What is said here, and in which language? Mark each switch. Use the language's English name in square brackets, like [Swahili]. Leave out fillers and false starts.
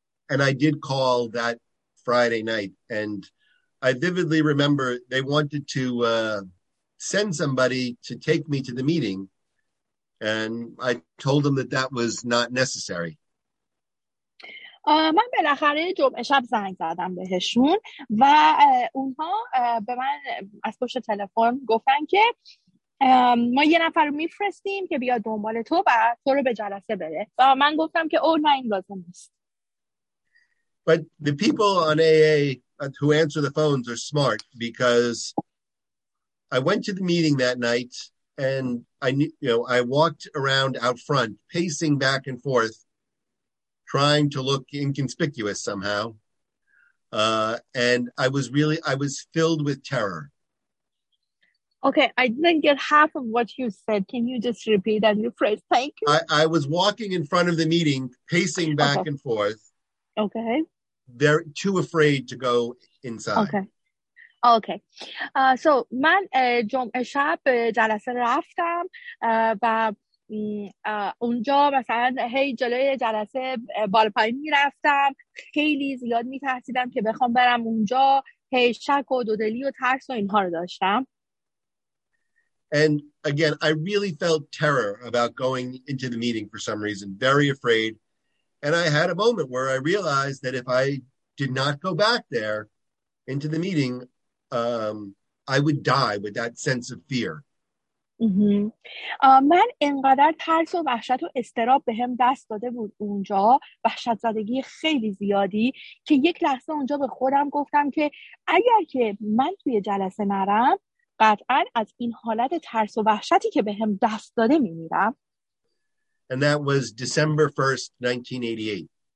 [English] And I did call that Friday night and I vividly remember they wanted to send somebody to take me to the meeting and I told them that that was not necessary. [Persian] من بالاخره جمعه شب زنگ زدم بهشون و اونها به من از پشت تلفن گفتن که ما یه نفر رو میفرستیم که بیاد دنبال تو و تو رو به جلسه بره و من گفتم که نه این لازم نیست. [English] But the people on AA who answer the phones are smart because I went to the meeting that night and I walked around out front pacing back and forth trying to look inconspicuous somehow. And I was filled with terror. Okay, I didn't get half of what you said. Can you just repeat and rephrase? Thank you. I was walking in front of the meeting, pacing back and forth. Okay. They're too afraid to go inside. Okay. [Persian] So من جمعه شب جلسه رفتم و اونجا مثلا هی جلوی جلسه بالا پایین می‌رفتم، خیلی زیاد می‌ترسیدم که بخوام برم اونجا، هی شک و دودلی و ترس و اینها رو داشتم. [English] And again, I really felt terror about going into the meeting for some reason, very afraid. And I had a moment where I realized that if I did not go back there into the meeting, I would die with that sense of fear. [Persian] من اینقدر ترس و وحشت و استراب به هم دست داده بود اونجا، وحشت زدگی خیلی زیادی، که یک لحظه اونجا به خودم گفتم که اگر که من توی جلسه نرم، قطعا از این حالت ترس و وحشتی که به هم دست داده میمیرم. [English] And that was December 1st, 1988.